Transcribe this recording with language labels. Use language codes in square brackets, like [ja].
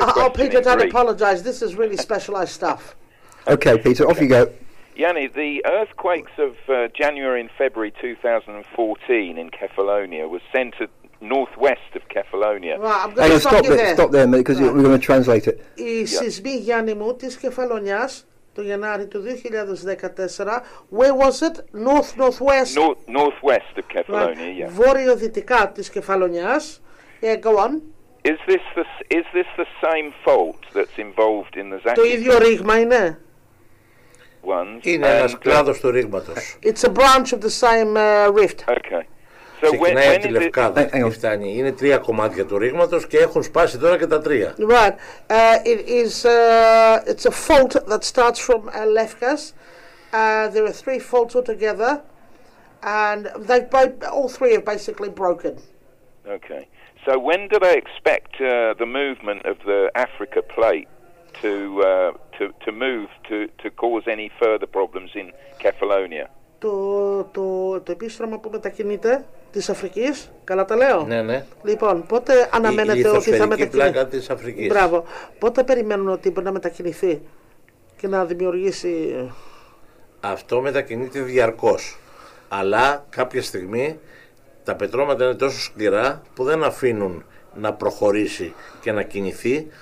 [en] Oh, Peter, don't apologise. This is really specialised stuff. Okay, Peter, off you go. Yanni, the earthquakes of January and February 2014 in Kefalonia was centred northwest of Kefalonia. Right, I'm going to stop you there. Stop there, mate, because we're going to translate it. [el] Οι σεισμοί Γιάννημου της Κεφαλονιάς το Γενάρη του 2014, [en] where was it? North-northwest. Northwest of Kefalonia, right. Yeah. [el] Βόρειο-δυτικά της Κεφαλονιάς. [en] Yeah, go on. Is this the same fault that's involved in the Zaki? [el] Το ίδιο ρήγμα είναι. Είναι ένας κλάδος του ρήγματος. [en] It's a branch of the same rift. Okay. [el] Ξεκινάει από τη Λευκάδα και φτάνει. Είναι τρία κομμάτια του ρήγματος και έχουν σπάσει τώρα και τα τρία. [en] Right. It's a fault that starts from Lefkas. There are three faults altogether. And all three have basically broken. Okay. So when do they expect the movement of the Africa plate to move to cause any further problems in Kefalonia? [el] Το επίστρωμα που μετακινείται της Αφρικής, καλά τα λέω. Ναι, ναι. Λοιπόν, πότε αναμένεται ότι θα μετακινηθεί. Η πλάκα της Αφρικής. Μπράβο. Πότε περιμένουν ότι μπορεί να μετακινηθεί και να δημιουργήσει. Αυτό μετακινείται διαρκώς. Αλλά κάποια στιγμή τα πετρώματα είναι τόσο σκληρά που δεν αφήνουν να προχωρήσει και να κινηθεί.